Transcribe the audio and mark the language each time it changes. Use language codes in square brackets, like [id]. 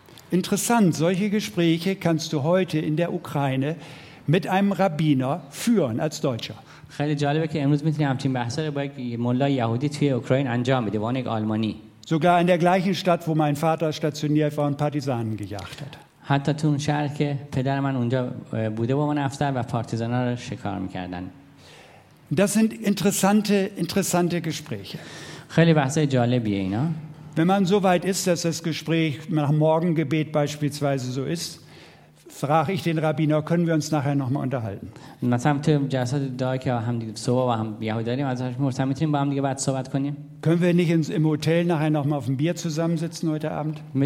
[de] Interessant, solche Gespräche kannst du heute in der Ukraine mit einem Rabbiner führen als Deutscher. [fa] خیلی جالبه که امروز میتونی همچین بحثا رو با یک ملای یهودی توی اوکراین انجام بدی با یک آلمانی. [de] Sogar in der gleichen Stadt, wo mein Vater stationiert war und Partisanen gejagt hat. [fa] حتی تو اون شهر که پدر من اونجا بوده با من افسر و پارتیزانا رو شکار میکردن. [de] Das sind interessante Gespräche. [fa] خیلی بحثای جالبیه اینا. [de] Wenn man so weit ist, dass das Gespräch nach Morgengebet beispielsweise so ist, frage ich den Rabbiner, können wir uns nachher noch mal unterhalten? Können wir nicht im Hotel nachher noch mal auf ein Bier zusammensitzen heute Abend?